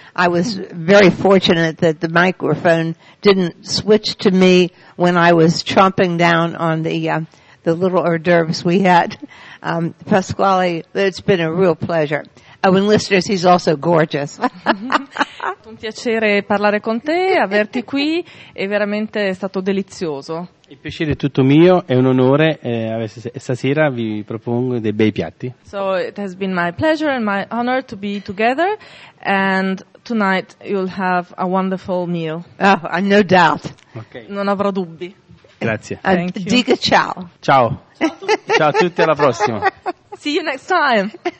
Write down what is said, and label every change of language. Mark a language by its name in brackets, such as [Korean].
[English] I was very fortunate that the microphone didn't switch to me when I was chomping down on the little hors d'oeuvres we had. Pasquale, it's been a real pleasure. Oh, and listeners, he's also gorgeous. [Italian] Un piacere parlare con te, averti qui, è veramente stato delizioso. Il piacere è tutto mio, è un onore, stasera vi propongo dei bei piatti. [English] So it has been my pleasure and my honor to be together, and tonight you'll have a wonderful meal. Oh, I no doubt. [Italian] Okay. Non avrò dubbi. Grazie. Dica ciao. Ciao. Ciao a tutti. Ciao a tutti, alla prossima. [English] See you next time.